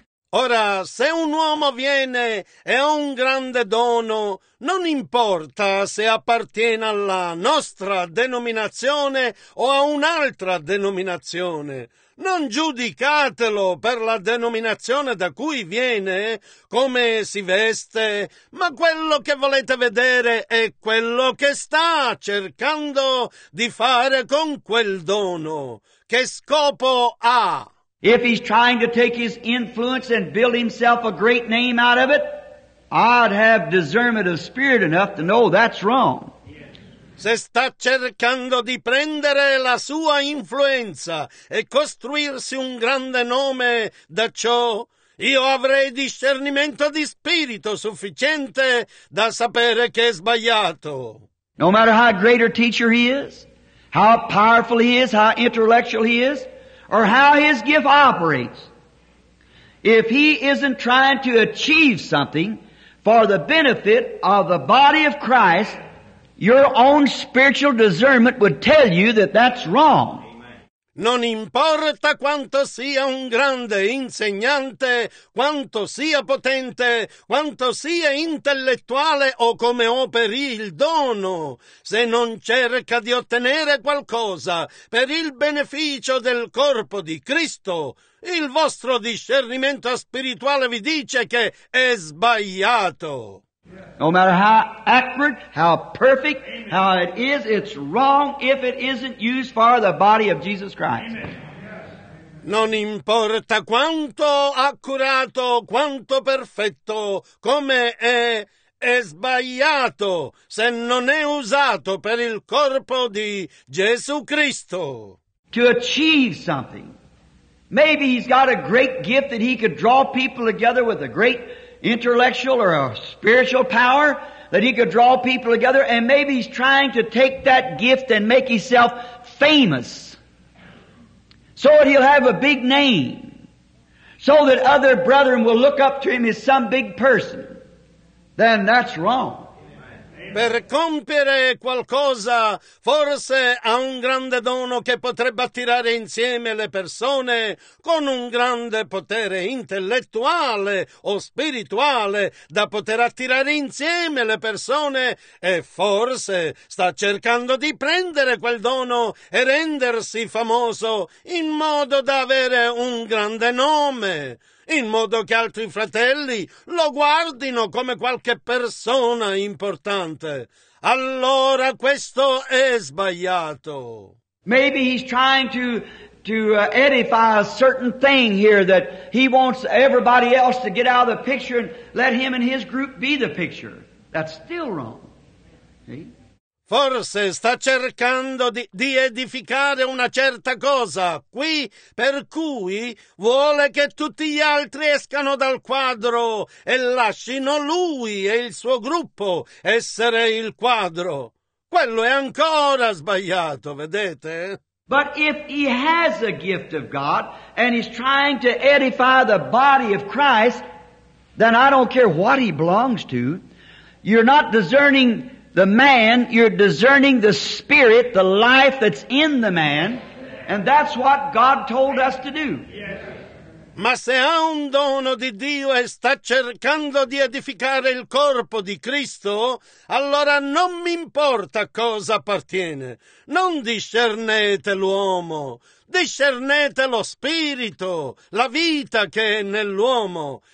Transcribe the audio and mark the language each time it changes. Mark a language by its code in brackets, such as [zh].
[it] Ora, se un uomo viene e ha un grande dono, non importa se appartiene alla nostra denominazione o a un'altra denominazione. Non giudicatelo per la denominazione da cui viene, come si veste, ma quello che volete vedere è quello che sta cercando di fare con quel dono. Che scopo ha? [en] If he's trying to take his influence and build himself a great name out of it, I'd have discernment of spirit enough to know that's wrong. [it] Se sta cercando di prendere la sua influenza e costruirsi un grande nome da ciò, io avrei discernimento di spirito sufficiente da sapere che è sbagliato. [en] No matter how great a teacher he is, how powerful he is, how intellectual he is, or how his gift operates, if he isn't trying to achieve something for the benefit of the body of Christ, your own spiritual discernment would tell you that that's wrong. [it] Non importa quanto sia un grande insegnante, quanto sia potente, quanto sia intellettuale o come operi il dono, se non cerca di ottenere qualcosa per il beneficio del corpo di Cristo, il vostro discernimento spirituale vi dice che è sbagliato. [en] No matter how accurate, how perfect, Amen. How it is, it's wrong if it isn't used for the body of Jesus Christ. Amen. [it] Non importa quanto accurato, quanto perfetto, come è sbagliato se non è usato per il corpo di Gesù Cristo. [en] To achieve something. Maybe he's got a great gift that he could draw people together with a great intellectual or a spiritual power that he could draw people together, and maybe he's trying to take that gift and make himself famous so that he'll have a big name, so that other brethren will look up to him as some big person, then that's wrong. [it] Per compiere qualcosa, forse ha un grande dono che potrebbe attirare insieme le persone con un grande potere intellettuale o spirituale da poter attirare insieme le persone e forse sta cercando di prendere quel dono e rendersi famoso in modo da avere un grande nome, in modo che altri fratelli lo guardino come qualche persona importante. Allora questo è sbagliato. [en] Maybe he's trying to edify a certain thing here that he wants everybody else to get out of the picture and let him and his group be the picture. That's still wrong. [it] Forse sta cercando di edificare una certa cosa qui, per cui vuole che tutti gli altri escano dal quadro e lascino lui e il suo gruppo essere il quadro. Quello è ancora sbagliato, vedete? [en] But if he has a gift of God and he's trying to edify the body of Christ, then I don't care what he belongs to. You're not discerning the man, you're discerning the spirit, the life that's in the man, and that's what God told us to do. [it] Ma se ha un dono di Dio e sta cercando di edificare il corpo di Cristo, allora non mi importa cosa appartiene. Non discernete l'uomo, discernete lo spirito, la vita che è nell'uomo.